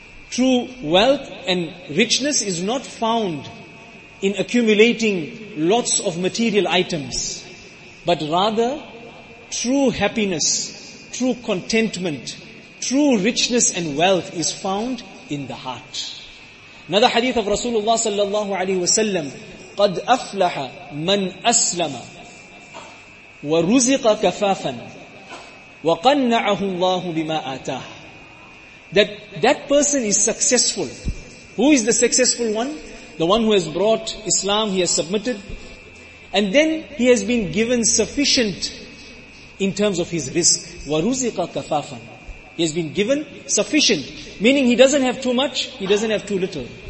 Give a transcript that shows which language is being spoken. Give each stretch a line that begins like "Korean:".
English: True wealth and richness is not found in accumulating lots of material items, but rather true happiness, true contentment, true richness and wealth is found in the heart. Another hadith of Rasulullah sallallahu alaihi wasallam,
Arabic: قَدْ أَفْلَحَ مَنْ أَسْلَمَ وَرُزِقَ كَفَافًا وَقَنَّعَهُ اللَّهُ بِمَا آتَاهُ.
English: That person is successful. Who is the successful one? The one who has brought Islam, he has submitted, and then he has been given sufficient in terms of his risk.
Arabic: وَرُزِقَ كَفَافًا.
English: He has been given sufficient, meaning he doesn't have too much, he doesn't have too little.